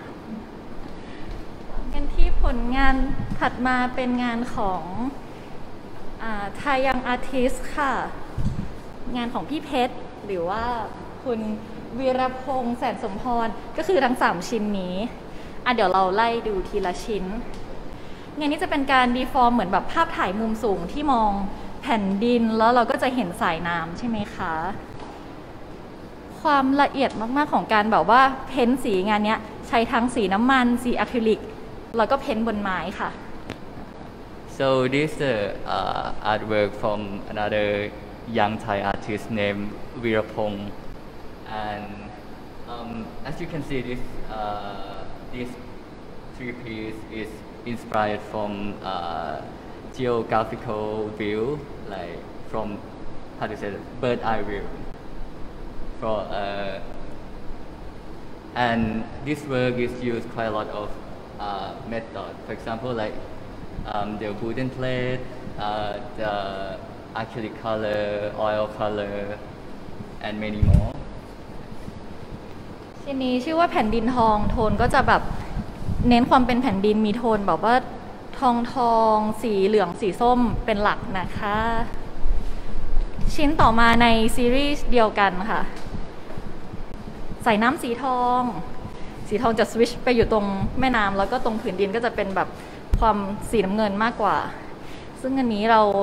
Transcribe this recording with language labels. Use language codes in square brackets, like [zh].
[th] that งานที่ผลงานถัดมาเป็นงานของทายังอาร์ติสต์ค่ะงานของพี่เพชรหรือว่าคุณวีระพงษ์แสนสมพรก็คือทั้ง3ชิ้นนี้อ่ะเดี๋ยวเราไล่ดูทีละชิ้นงานนี้จะเป็นการดีฟอร์มเหมือนแบบภาพถ่ายมุมสูงที่มองแผ่นดินแล้วเราก็จะเห็นสายน้ำใช่ไหมคะ ความละเอียดมากๆของการแบบว่าเพ้นสีงานนี้ใช้ทั้งสีน้ำมันสีอะคริลิกแล้วก็เพ้นบนไม้ค่ะ [en] So this artwork from another young Thai artist named Virapong and as you can see this this three piece is inspired from geographical view like from how to say it, bird eye view for and this work is used quite a lot of method for example like the wooden plate the acrylic color oil color and many more [th] ชิ้นนี้ชื่อว่าแผ่นดินทองโทนก็จะแบบเน้นความเป็นแผ่นดินมีโทนแบบว่าทองสีเหลืองสีส้มเป็นหลักนะคะชิ้นต่อมาในซีรีส์เดียวกันค่ะใส่น้ำสีทองสีทองจะสวิชไปอยู่ตรงแม่น้ำแล้วก็ตรงผืนดินก็จะเป็นแบบความสีน้ำเงินมากกว่าซึ่งอันนี้เรา